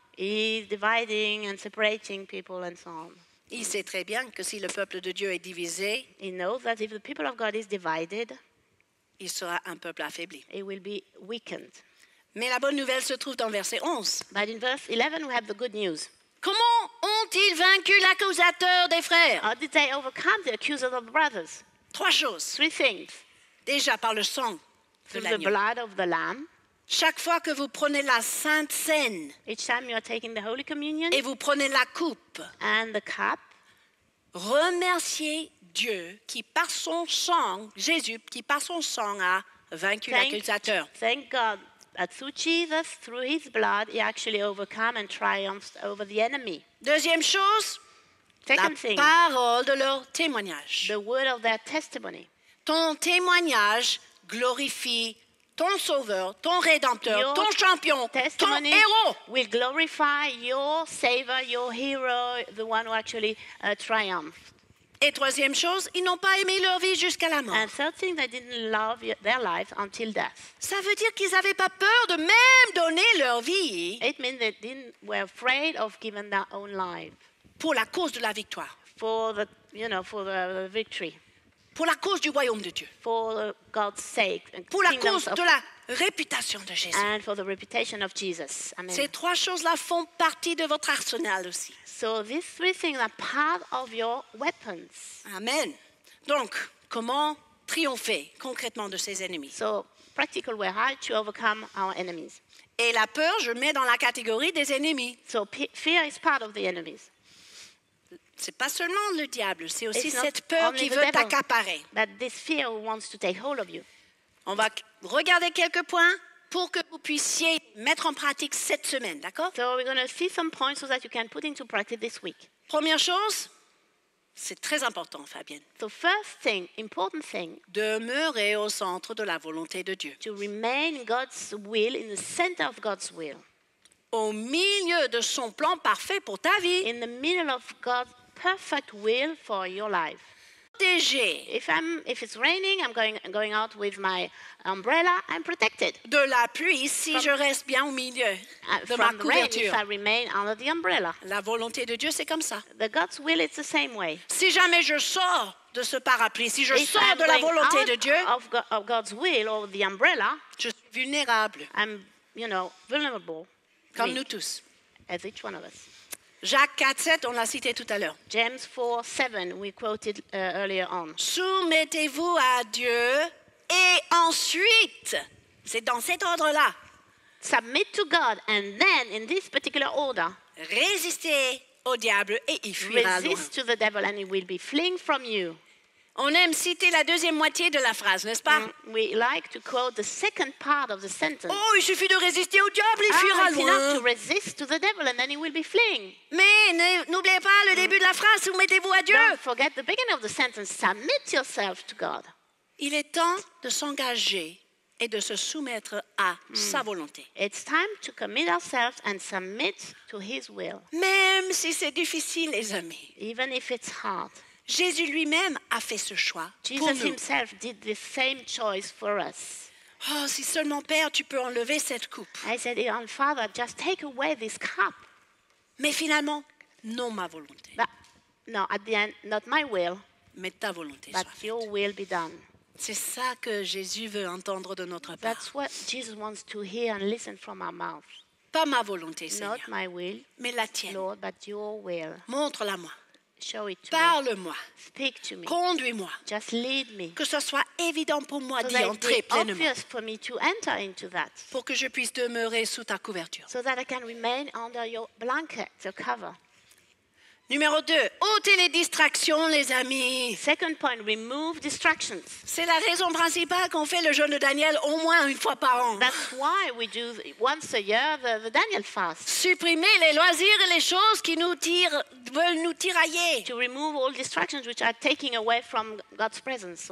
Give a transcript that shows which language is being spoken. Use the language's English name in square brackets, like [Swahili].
[English] He's dividing and separating people and so on. [French] Il sait très bien que si le peuple de Dieu est divisé, [English] he knows that if the people of God is divided, [French] il sera un peuple affaibli. [English] It will be weakened. [French] Mais la bonne nouvelle se trouve dans verset 11. [English] But in verse 11 we have the good news. [French] Comment ont-ils vaincu l'accusateur des frères? [English] How did they overcome the accusers of the brothers? [French] Trois choses. [English] Three things. [French] Déjà par le sang de l'agneau. [English] The blood of the lamb. [French] Chaque fois que vous prenez la Sainte Cène, [English] each time you are taking the Holy Communion, [French] et vous prenez la coupe, [English] and the cup, [French] remerciez Dieu qui par son sang, Jésus qui par son sang a vaincu l'accusateur. [English] Thank God that through Jesus, through His blood, He actually overcame and triumphed over the enemy. [French] Deuxième chose, [English] second thing, [French] la parole de leur témoignage. [English] The word of their testimony. [French] Ton témoignage glorifie ton sauveur, ton rédempteur, [English] your [French] ton champion, ton héros. [English] Will glorify your savior, your hero, the one who actually triumphed. [French] Et troisième chose, ils n'ont pas aimé leur vie jusqu'à la mort. [English] And third thing, they didn't love their life until death. [French] Ça veut dire qu'ils n'avaient pas peur de même donner leur vie. [English] It means they didn't were afraid of giving their own life. [French] Pour la cause de la victoire. [English] For the, you know, for the victory. [French] Pour la cause du royaume de Dieu. [English] For God's sake. [French] Pour la cause de la réputation de Jésus. [English] And for the reputation of Jesus. Amen. [French] Ces trois choses-là font partie de votre arsenal aussi. [English] So these three things are part of your weapons. [French] Amen. Donc, comment triompher concrètement de ses ennemis? [English] So, practical way how to overcome our enemies. [French] Et la peur, je mets dans la catégorie des ennemis. [English] So, fear is part of the enemies. [French] Ce n'est pas seulement le diable, c'est aussi cette peur qui veut t'accaparer. [English] But this fear wants to take hold of you. [French] On va regarder quelques points pour que vous puissiez mettre en pratique cette semaine, d'accord? [English] So we're going to see some points so that you can put into practice this week. [French] Première chose, c'est très important, Fabienne. [English] So first thing, important thing. [French] Demeurez au centre de la volonté de Dieu. [English] To remain in God's will, in the center of God's will. [French] Au milieu de son plan parfait pour ta vie. [English] In the middle of God's perfect will for your life. If it's raining, I'm going out with my umbrella, I'm protected. [French] De la pluie, si from, je reste bien au milieu de ma couverture. [English] From rain, if I remain under the umbrella. [French] La volonté de Dieu, c'est comme ça. [English] The God's will, it's the same way. [French] Si jamais je sors de ce parapluie, si je sors de la volonté de Dieu, [English] of God's will or the umbrella, [French] je suis vulnérable. [English] I'm, you know, vulnerable. [French] Comme nous tous. [English] As each one of us. [French] Jacques 4, 7, on l'a cité tout à l'heure. [English] James 4, 7, we quoted earlier on. [French] Soumettez-vous à Dieu et ensuite, c'est dans cet ordre-là. [English] Submit to God and then in this particular order. [French] Résistez au diable et il fuira loin. [English] Resist to the devil and he will be fleeing from you. [French] On aime citer la deuxième moitié de la phrase, n'est-ce pas? [English] We like to quote the second part of the sentence. [French] Oh, il suffit de résister au diable, il fuira loin. [English] It's enough to resist to the devil and then he will be fleeing. [French] Mais n'oubliez pas le début de la phrase, soumettez-vous à Dieu. [English] Don't forget the beginning of the sentence, submit yourself to God. [French] Il est temps de s'engager et de se soumettre à sa volonté. [English] It's time to commit ourselves and submit to his will. [French] Même si c'est difficile, les amis. [English] Even if it's hard. [French] Jésus lui-même a fait ce choix [English] Jesus [French] pour nous. [English] Jesus himself did the same choice for us. [French] Oh, si seulement Père, tu peux enlever cette coupe. [English] I said, oh, Father, just take away this cup. [French] Mais finalement, non ma volonté. [English] But, no, at the end, not my will. [French] Mais ta volonté [English] but [French] soit [English] faite. Your will be done. [French] C'est ça que Jésus veut entendre de notre part. [English] That's what Jesus wants to hear and listen from our mouth. [French] Pas ma volonté, [English] not [French] Seigneur. [English] Not my will. [French] Mais la tienne. [English] Lord, but your will. [French] Montre-la-moi. [English] Show it to [French] parle-moi. [English] Me. Speak to me. [French] Conduis-moi. [English] Just lead me. [French] Que ce soit évident pour moi [English] so [French] d'y entrer pleinement. [English] Obvious for me to enter into that. [French] Pour que je puisse demeurer sous ta couverture. [English] So that I can remain under your blanket, your cover. [French] Numéro 2, ôtez les distractions, les amis. [English] Second point, remove distractions. [French] C'est la raison principale qu'on fait le jeûne de Daniel au moins une fois par an. [English] That's why we do once a year the Daniel fast. [French] Supprimer les loisirs et les choses qui nous tirent, veulent nous tirailler. [English] To remove all distractions which are taking away from God's presence.